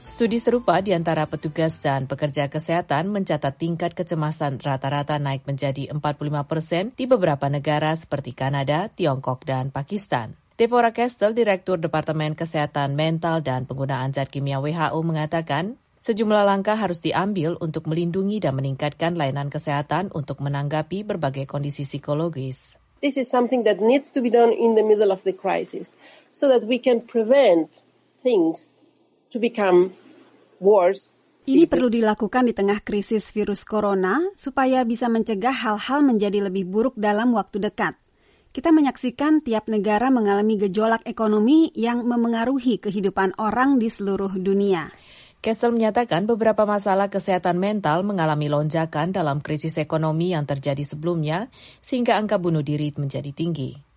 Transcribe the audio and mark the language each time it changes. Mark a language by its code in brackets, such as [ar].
[id] Studi serupa di antara petugas dan pekerja kesehatan mencatat tingkat kecemasan rata-rata naik menjadi 45% di beberapa negara seperti Kanada, Tiongkok, dan Pakistan. Deborah Kestel, Direktur Departemen Kesehatan Mental dan Penggunaan Zat Kimia WHO mengatakan, sejumlah langkah harus diambil untuk melindungi dan meningkatkan layanan kesehatan untuk menanggapi berbagai kondisi psikologis. [en] This is something that needs to be done in the middle of the crisis so that we can prevent things to become worse. [id] Ini perlu dilakukan di tengah krisis virus corona supaya bisa mencegah hal-hal menjadi lebih buruk dalam waktu dekat. Kita menyaksikan tiap negara mengalami gejolak ekonomi yang memengaruhi kehidupan orang di seluruh dunia. Kessel menyatakan beberapa masalah kesehatan mental mengalami lonjakan dalam krisis ekonomi yang terjadi sebelumnya sehingga angka bunuh diri menjadi tinggi.